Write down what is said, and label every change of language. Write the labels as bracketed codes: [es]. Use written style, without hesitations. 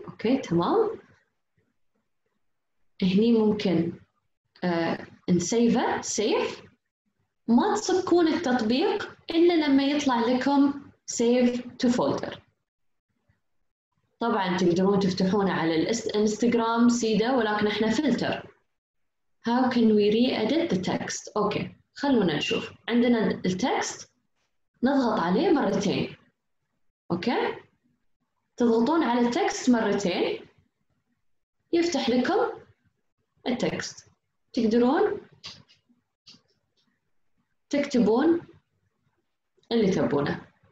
[ar] أوكي تمام، هني ممكن نسيفه سيف. ما تسكون التطبيق إلا لما يطلع لكم Save to Folder. طبعاً تقدرون تفتحونه على الإنستغرام سيدا، ولكن إحنا فلتر. [en] How can we re-edit the text؟ [ar] أوكي، خلونا نشوف. عندنا التكست، نضغط عليه مرتين. أوكي، تضغطون على التكست مرتين يفتح لكم التكست. تقدرون تكتبون اللي تبونه.